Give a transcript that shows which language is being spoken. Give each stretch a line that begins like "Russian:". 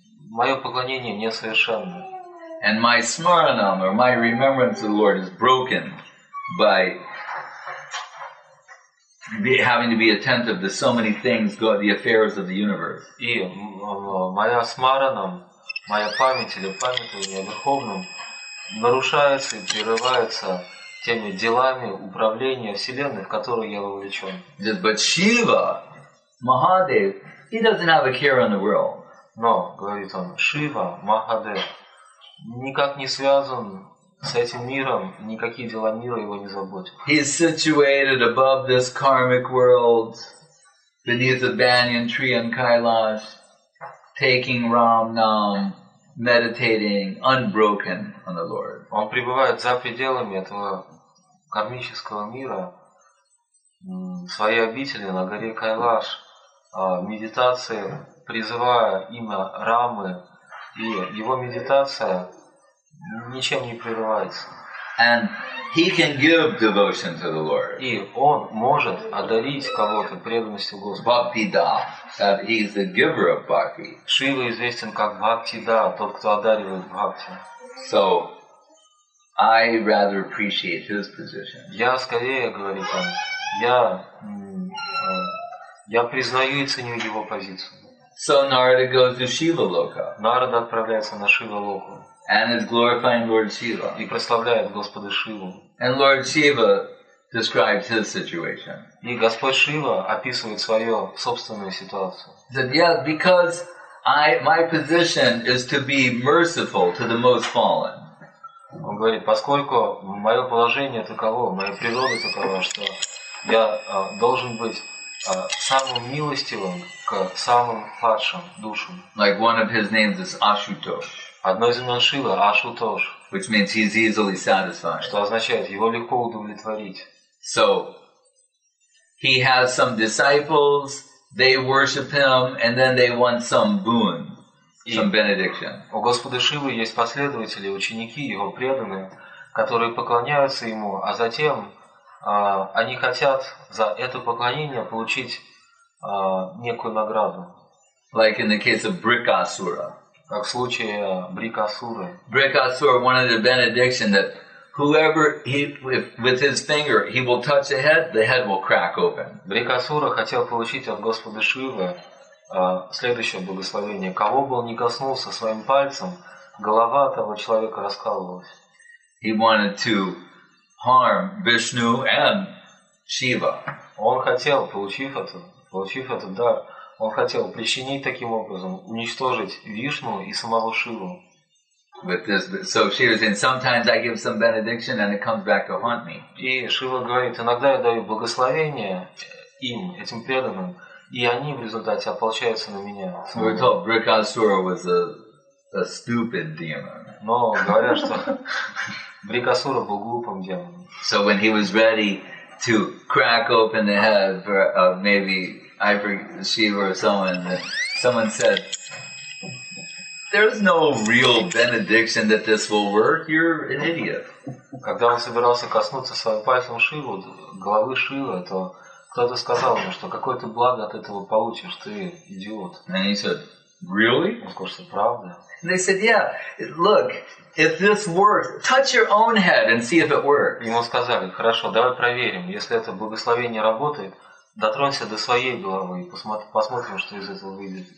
Russian: Моё поклонение несовершенно.
English: And my smaranam, or my remembrance of the Lord, is broken by having to be attentive to so many things, the affairs of the universe.
Russian: И моя смаранам, моя память или памятование о Верховном нарушается и прерывается теми делами управления Вселенной, в которые я вовлечен.
English: But Shiva, Mahadev, he doesn't have a care in the world.
Russian: Но, говорит он, Шива, Махадев, никак не связан с этим миром, никакие дела мира его не заботят.
English: He's situated above this karmic world, beneath the banyan tree in Kailash, taking Ram Nam, meditating unbroken on the Lord.
Russian: Он пребывает за пределами этого кармического мира, в своей обители на горе Кайлаш, медитация, призывая имя Рамы, и его медитация ничем не прерывается.
English: And he can give devotion to the Lord.
Russian: И он может одарить кого-то преданностью Господу.
English: Бхактида, that he is the giver of bhakti.
Russian: Шива известен как Бхактида, тот, кто одаривает бхакти.
English: So I rather appreciate his position.
Russian: Я скорее, говорит он, я признаю и ценю его позицию.
English: So Narada goes to Shiva Loka.
Russian: Narada отправляется на Шива Локу.
English: And is glorifying Lord Shiva.
Russian: И прославляет Господа Шиву.
English: And Lord Shiva describes his situation.
Russian: И Господь Шива описывает свою собственную ситуацию.
English: That yeah, because my position is to be merciful to the most fallen.
Russian: Он говорит, поскольку мое положение таково, моя природа такова, что я должен быть самым милостивым к самым падшим душам.
English: Like one of his names is Ashutosh.
Russian: Одно из имен Шивы – Ашутош.
English: Which means he's easily satisfied.
Russian: Что означает, его легко удовлетворить.
English: So, he has some disciples, they worship him, and then they want some boon, some benediction.
Russian: У Господа Шивы есть последователи, ученики, его преданные, которые поклоняются ему, а затем они хотят за это поклонение получить некую награду.
English: Like in the case of Brikasura.
Russian: Как в случае Брикасуры.
English: Brikasura wanted a benediction that whoever he if, with his finger he will touch the head will crack open.
Russian: Брикасура хотел получить от Господа Шивы следующее благословение. Кого бы он ни коснулся своим пальцем, голова того человека раскалывалась.
English: He wanted to harm Vishnu and Shiva.
Russian: Он хотел, получив этот дар, он хотел причинить таким образом, уничтожить Вишну и самого Шиву.
English: With this, so she was saying, sometimes I give some benediction and it comes back to haunt me.
Russian: И Шива говорит, иногда я даю благословение им, этим преданным, и они в результате ополчаются на меня.
English: So we're told Брикасура was a stupid demon.
Russian: Но говорят, что Брикасура был глупым демоном.
English: So when he was ready to crack open the head for maybe Shiva or someone said, there's no real benediction that this will work. You're an idiot.
Russian: Когда он собирался коснуться своим пальцем Шивы, головы Шивы, то кто-то сказал ему, что какое-то благо от этого получишь, ты идиот.
English: And he said, really?
Russian: Он сказал, что правда.
English: And they said, yeah, look, if this works, touch your own head and see if it works.
Russian: Ему сказали, хорошо, давай проверим, если это благословение работает, дотронься до своей головы и посмотрим, что из этого выйдет.